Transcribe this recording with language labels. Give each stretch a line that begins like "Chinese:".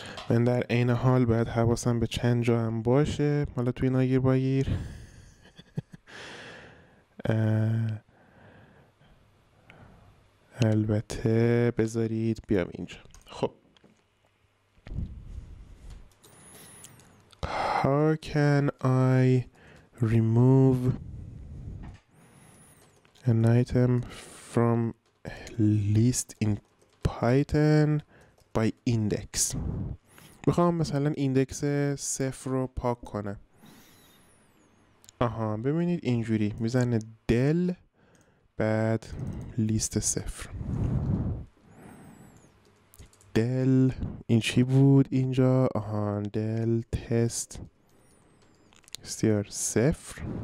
Persian: من در این حال باید حواسم به چند جا هم باشه. مالا توی ناگیر باگیر. البته بذارید بیام اینجا. خب.
English: How can I remove an item from a list in Python by index?
Persian: میخوام مثلا ایندکس صفر رو پاک کنم. آها ببینید اینجوری میزنه del بعد لیست صفر. دل این چی بود اینجا؟ آهان دل تست استیار صفر.